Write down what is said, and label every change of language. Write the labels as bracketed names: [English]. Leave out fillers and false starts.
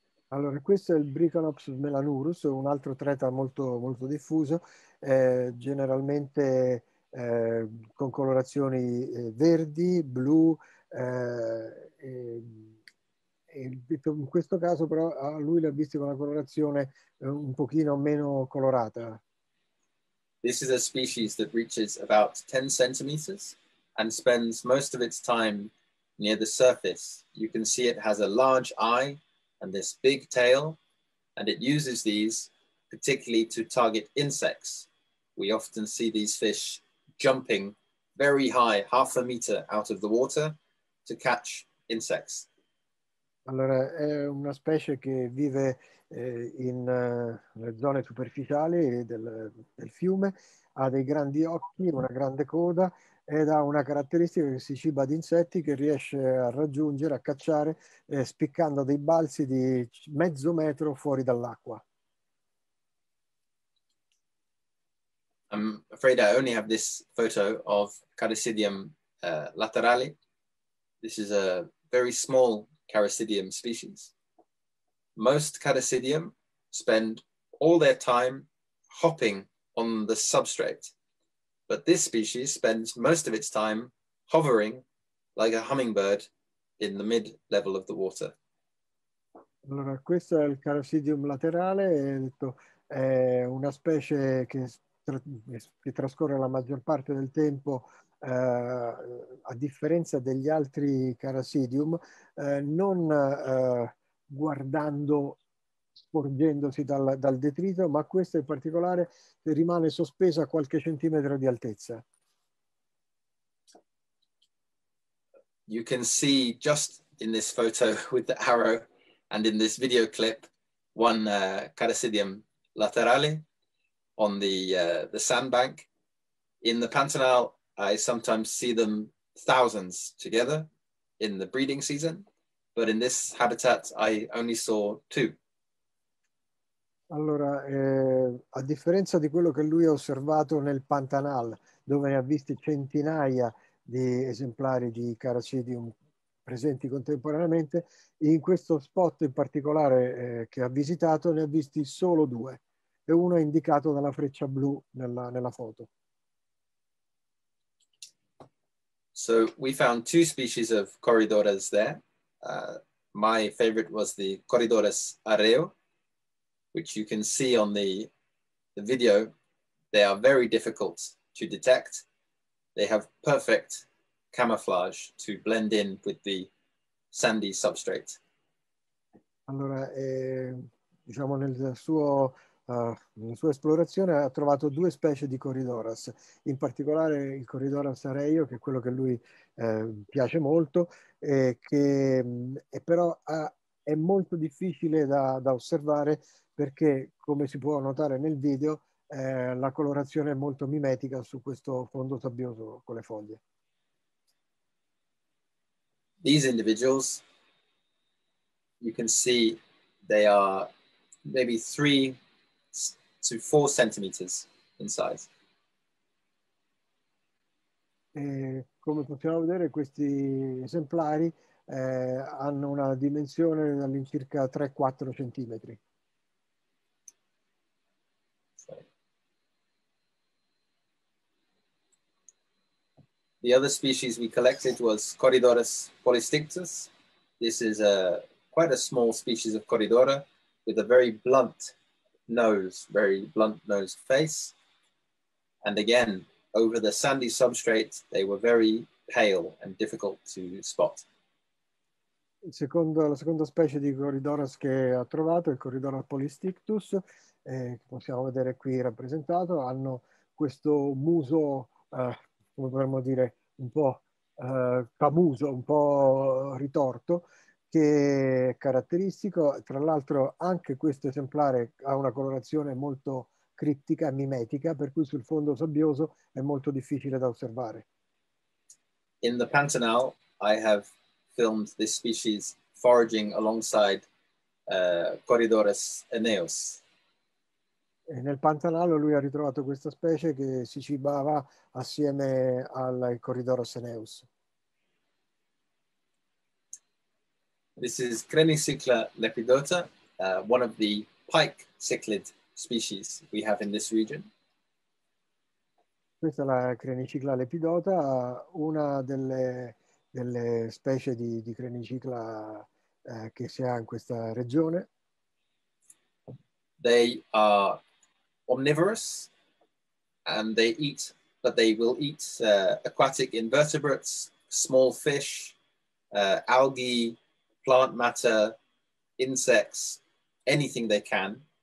[Italian] Allora, questo è il Brachynops melanurus, un altro tetra molto molto diffuso, generalmente con colorazioni verdi, blu, in questo caso però a lui l'ha visto con una colorazione un pochino meno colorata. [English] This is a species that reaches about 10 centimeters and spends most of its time near the surface. You can see it has a large eye and this big tail, and it uses these particularly to target insects. We often see these fish jumping very high, half a meter out of the water, to catch insects. [Italian] Allora, è una specie che vive in le zone superficiali del fiume, ha dei grandi occhi, una grande coda ed ha una caratteristica che si ciba di insetti che riesce a raggiungere, a cacciare, spiccando dei balzi di mezzo metro fuori dall'acqua. [English] I'm afraid I only have this photo of Charisidium laterali. This is a very small Charisidium species. Most Charisidium spend all their time hopping on the substrate, but this species spends most of its time hovering like a hummingbird in the mid level of the water. [Italian] Allora, questo è il Charisidium laterale, è una specie che trascorre la maggior parte del tempo a differenza degli altri Charisidium, non guardando, sporgendosi dal detrito, ma questo in particolare rimane sospeso a qualche centimetro di altezza. [English] You can see just in this photo with the arrow and in this video clip one Charisidium laterale on the sandbank. In the pantanal, I sometimes see them thousands together in the breeding season, but in this habitat I only saw two. [Italian] Allora, a differenza di quello che lui ha osservato nel pantanal, dove ne ha visti centinaia di esemplari di Charisidium presenti contemporaneamente, in questo spot in particolare che ha visitato ne ha visti solo due, e uno è indicato dalla freccia blu nella foto. [English] So we found two species of corridoras there. My favorite was the corridoras areo, which you can see on the video. They are very difficult to detect. They have perfect camouflage to blend in with the sandy substrate. [Italian] Allora, diciamo nella sua esplorazione ha trovato due specie di corridoras, in particolare il corridoras areo, che è quello che lui piace molto, che però è molto difficile da osservare perché, come si può notare nel video, la colorazione è molto mimetica su questo fondo sabbioso con le foglie. [English] These individuals, you can see they are maybe 3 to 4 centimeters in size. [Italian] E come possiamo vedere, questi esemplari hanno una dimensione all'incirca 3-4 centimetri. [English] The other species we collected was Corydoras polystictus. This is quite a small species of Corydora with a very blunt nose, very blunt-nosed face. And again, over the sandy substrate, they were very pale and difficult to spot. [Italian] La seconda specie di Corydoras che ha trovato, il Corydoras polystictus, che possiamo vedere qui rappresentato, hanno questo muso, come potremmo dire, un po' camuso, un po' ritorto, che è caratteristico. Tra l'altro anche questo esemplare ha una colorazione molto criptica, mimetica, per cui sul fondo sabbioso è molto difficile da osservare. [English] In the pantanal I have filmed this species foraging alongside Corydoras aeneus. [Italian] E nel Pantanalo lui ha ritrovato questa specie che si cibava assieme al Corydoras aeneus. [English] This is Crenicicla lepidota, one of the pike cichlid species we have in this region. [Italian] Questa è la Crenicicla lepidota, una delle specie di Crenicicla che si ha in questa regione. [English] They are omnivorous and they eat, but they will eat aquatic invertebrates, small fish, algae, plant matter, insects, anything they can.